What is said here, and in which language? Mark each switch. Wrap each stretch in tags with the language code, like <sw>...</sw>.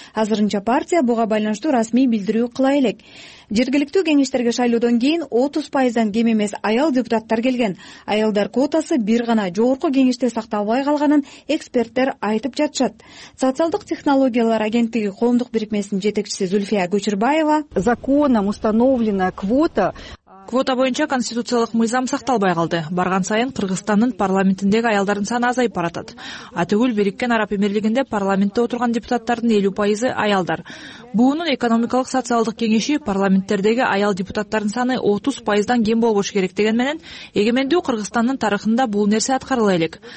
<ky>Азырынча партия буга байланыштуу расмий билдирүү кыла элек. Жергиликтүү кеңештерге шайлоодон кийин 30% кем эмес аял депутаттар келген. Аялдар квотасы бир гана жогорку кеңеште сакталбай калганын эксперттер айтып жатышат. Социалдык технологиялар агенттиги коомдук бирикмесинин жетекчиси Зульфия Көчүрбаева:</ky> <ru>законом установлена квота.</ru> <ky>Квота боюнча конституциялык мыйзам сакталбай калды. Барган сайын Кыргызстандын парламентиндеги аялдардын саны азайып баратат. Атүгүл Бириккен Араб Эмирлигинде парламентте отурган депутаттардын 50% аялдар. Буунун экономикалык социалдык кеңеши парламенттердеги аял депутаттардын саны 30% кем болбош керек деген менен эгемендүү Кыргызстандын тарыхында бул нерсе аткарыла элек.</ky>